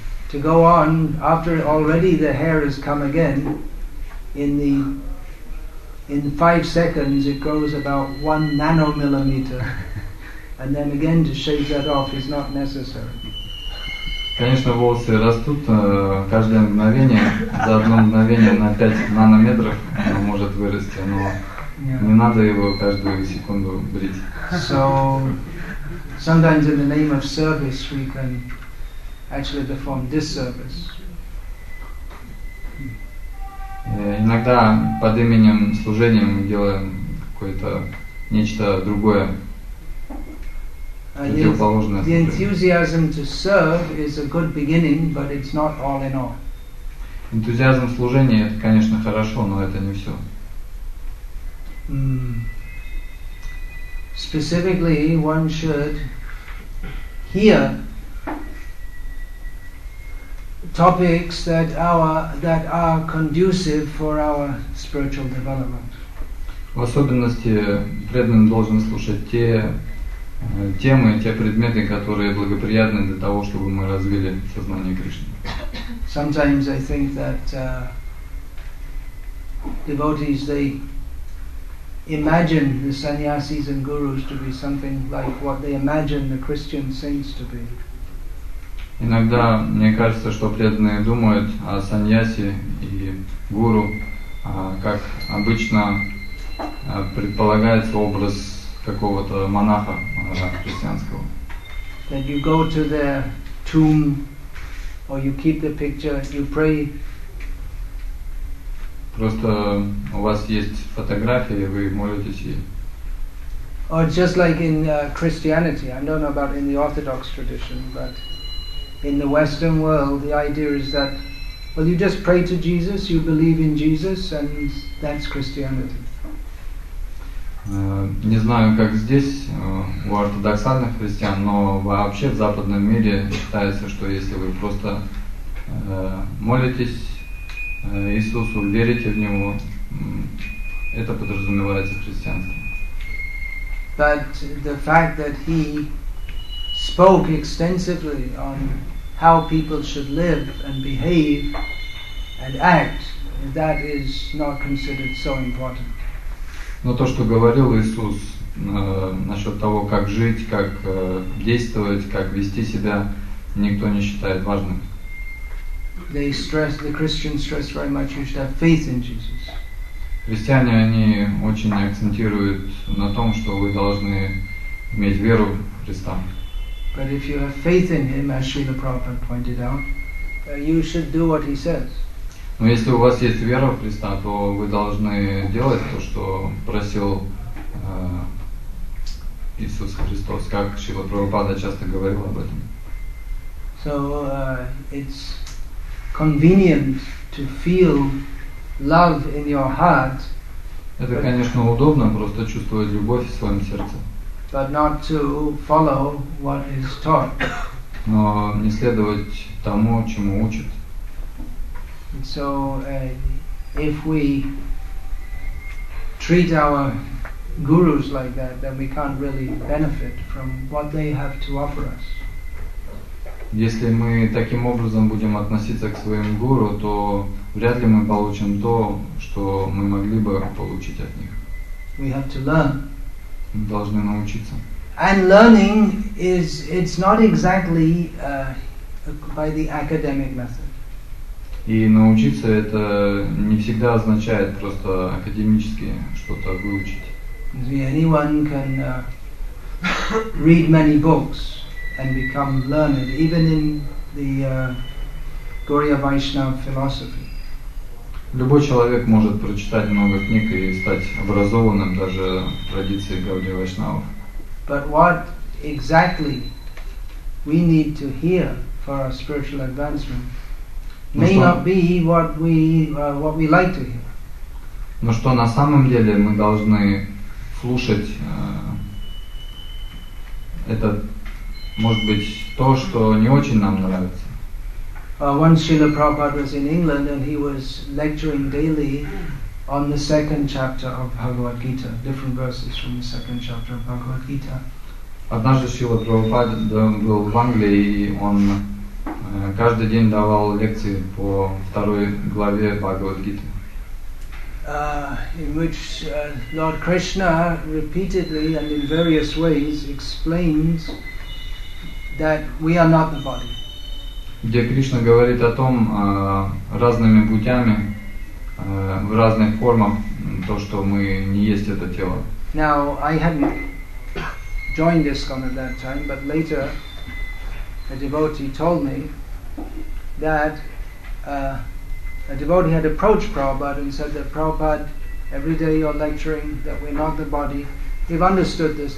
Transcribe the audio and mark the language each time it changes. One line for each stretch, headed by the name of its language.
English: To go on, after already the hair has come again, in 5 seconds it goes about 1 nanometer, and then again to shave that off is not necessary.
Russian: Конечно, волосы растут каждое мгновение, за одно мгновение на 5 нанометров оно может вырасти, но не надо его каждую секунду брить.
English: So, sometimes in the name of service we can actually perform disservice.
Russian: Иногда под именем служения мы делаем какое-то нечто другое.
English: The enthusiasm to serve is a good beginning, but it's not all in all.
Russian: Энтузиазм служения это, конечно, хорошо, но это не все.
English: Specifically, one should hear topics that are conducive for our spiritual development.
Russian: В особенности преданный должен слушать те темы, те предметы, которые благоприятны для того, чтобы мы развили сознание Кришны.
English: Sometimes I think that devotees, they imagine the sannyasis and gurus to be something like what they imagine the Christian saints to be.
Russian: Иногда мне кажется, что преданные думают о саньясе и гуру, как обычно предполагается образ какого-то монаха христианского.
English: That you go to their tomb, or you keep the picture, you pray.
Russian: Просто у вас есть фотография, и вы молитесь ей.
English: Or just like in Christianity, I don't know about in the Orthodox tradition, but in the Western world, the idea is that, well, you just pray to Jesus, you believe in Jesus, and that's Christianity.
Russian: Не знаю, как здесь, у ортодоксальных христиан, но вообще в западном мире считается, что если вы просто молитесь Иисусу, верите в Него, это подразумевается христианством.
English: But the fact that he spoke extensively on how people should live and behave and act, that is not considered so important.
Russian: Но то, что говорил Иисус насчет того, как жить, как действовать, как вести себя, никто не считает важным.
English: They stress, the Christians stress very much, you should have faith in Jesus.
Russian: Христиане, они очень акцентируют на том, что вы должны иметь веру в Христа.
English: But if you have faith in him, as Srila Prabhupada pointed out, you should do what he says.
Russian: Но если у вас есть вера в Христа, то вы должны делать то, что просил Иисус Христос, как Шрила Прабхупада часто говорил об этом.
English: So it's convenient to feel love in your heart.
Russian: Это, конечно, удобно просто чувствовать любовь в своем сердце.
English: but not to follow what is taught.
Russian: Но не следовать тому, чему учат.
English: And so, if we treat our gurus like that, then we can't really benefit from what they have to offer us.
Russian: Если мы таким образом будем относиться к своим гуру, то вряд ли мы получим то, что мы могли бы получить от них.
English: We have to learn.
Russian: Мы должны научиться.
English: And learning is, it's not exactly by the academic method.
Russian: И научиться это не всегда означает просто академически что-то выучить.
English: Anyone can read many books and become learned, even in the Gaudiya Vaishnava philosophy.
Russian: Любой человек может прочитать много книг и стать образованным даже в традиции Гаудия Вайшнавов.
English: But what exactly we need to hear for our spiritual advancement may not be what we like to hear.
Russian: Но что на самом деле мы должны слушать, это может быть то, что не очень нам нравится.
English: Once Srila Prabhupada was in England and he was lecturing daily on the second chapter of Bhagavad Gita, different verses from the second chapter of Bhagavad Gita.
Russian: Однажды Шрила Прабхупада был в Англии, и он каждый день давал лекции по второй главе Бхагавад Гиты.
English: In which Lord Krishna repeatedly and in various ways explains that we are not the body.
Russian: Где Кришна говорит о том разными путями, в разных формах, то, что мы не есть это тело.
English: Now, I hadn't joined ISKCON at that time, but later a devotee told me that a devotee had approached Prabhupada and said that Prabhupada, every day you're lecturing that we're not the body. You've understood this.